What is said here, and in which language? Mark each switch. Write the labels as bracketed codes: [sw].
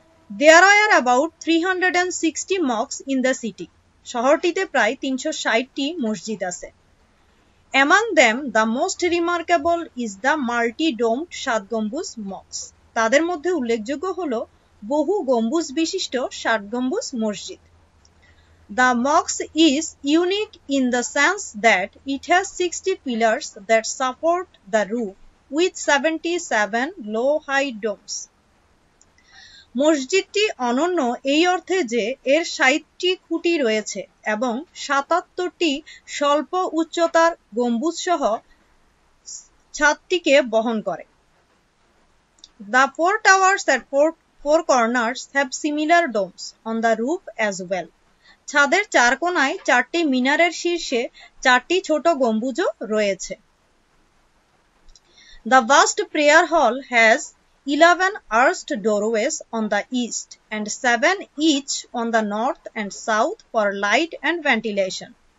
[en] There are about 360 mosques in the city. [bn] শহরটিতে প্রায় 360টি মসজিদ আছে। [en] Among them the most remarkable is the multi ডোমড সাত গম্বুজ Mox. [bn] তাদের মধ্যে উল্লেখযোগ্য হল বহু গম্বুজ বিশিষ্ট ষাট গম্বুজ মসজিদ। [en] The mosque is unique in the sense that it has 60 pillars that support the roof with 77 low-high domes. [bn] মসজিদটি অনন্য এই অর্থে যে এর 60টি খুঁটি রয়েছে এবং 77টি স্বল্প উচ্চতার গম্বুজ সহ ছাদটিকে বহন করে। [en] The four towers at four corners have similar domes on the roof as well. [bn] ছাদের চার কোনায় চারটি মিনারের শীর্ষে চারটি ছোট গম্বুজও রয়েছে। [en] The vast prayer hall has 11 arched doorways on the east and 7 each on the north and south for light and ventilation.